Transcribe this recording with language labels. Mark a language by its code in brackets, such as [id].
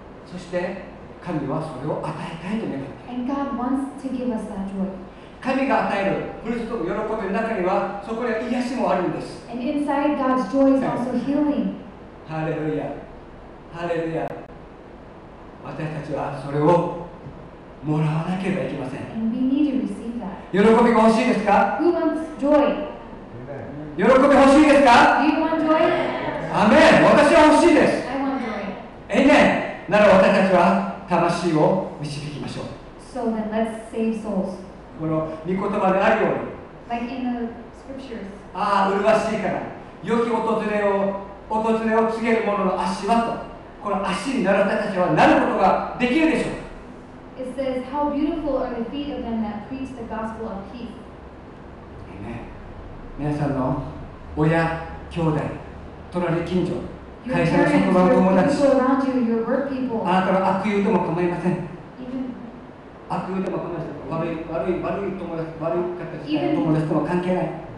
[ja] そして神はそれを与えたいと願って [en] And God wants to give us that joy. [ja] 神が与えるフルーツと喜びの中にはそこには癒しもあるんです。 [en] And inside God's joy is also healing. [ja] ハレルヤ、ハレルヤ。私たちはそれをもらわなければいけません。 [en] And we need to receive that. [ja] 喜びが欲しいですか？ [en] Who wants joy? [ja] 喜び欲しいですか？ [en] Do you want joy? [ja] アメン。私は欲しいです。 [en] I want joy. [ja] エイメン。なら私たちは魂を導きましょう。 [en] So then let's save souls. [ja] この御言葉であるように、 [en] like、in the scriptures. [ja] ああ、麗しいから、良き訪れを告げる者の足はと、この足になる私たちはなることができるでしょう。 [en] It says, how beautiful are the feet of them that preach the gospel of peace. Amen. [ja] 皆さんの親、兄弟、隣近所、会社の職場の友達、あなたの悪友とも構いません。悪友でも話してた悪い友達、悪かったですから、友達とは関係ない。